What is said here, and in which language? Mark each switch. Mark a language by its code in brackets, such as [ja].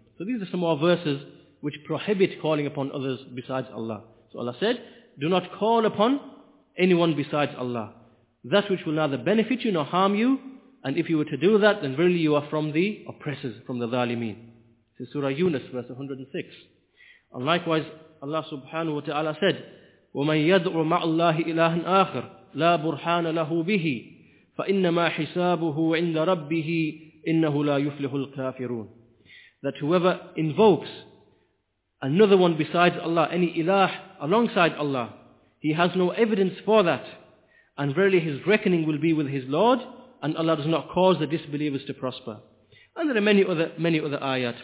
[en] So these are some more verses which prohibit calling upon others besides Allah. So Allah said, do not call upon anyone besides Allah. That which will neither benefit you nor harm you, and if you were to do that, then verily you are from the oppressors, from the zalimeen. This is Surah Yunus, verse 106. And likewise, Allah subhanahu wa ta'ala said, [ar] وَمَنْ يَدْعُ مَعَ اللَّهِ إِلَهًا آخَرَ لَا بُرْحَانَ لَهُ بِهِ فَإِنَّمَا حِسَابُهُ عِنْدَ رَبِّهِ إِنَّهُ لَا يُفْلِحُ الْكَافِرُونَ. [en] That whoever invokes another one besides Allah, any ilah alongside Allah, he has no evidence for that. And verily his reckoning will be with his Lord, and Allah does not cause the disbelievers to prosper. And there are many other ayat.